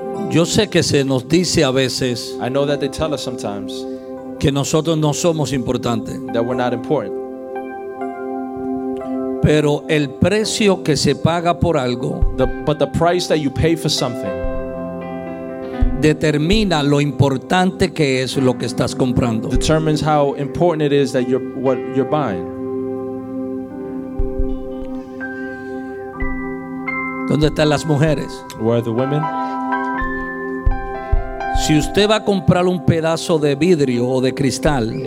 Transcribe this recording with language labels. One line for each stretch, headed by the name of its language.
Spanish: Yo sé que se nos dice a veces,
English: I know that they tell us sometimes,
Spanish: que nosotros no somos importantes,
English: that we're not important.
Spanish: Pero el precio que se paga por algo,
English: but the price that you pay for something,
Spanish: determina lo importante que es lo que estás comprando,
English: determines how important it is that you're, what you're buying.
Spanish: ¿Dónde están las mujeres?
English: Where are the women?
Spanish: Si usted va a comprar un pedazo de vidrio o de cristal,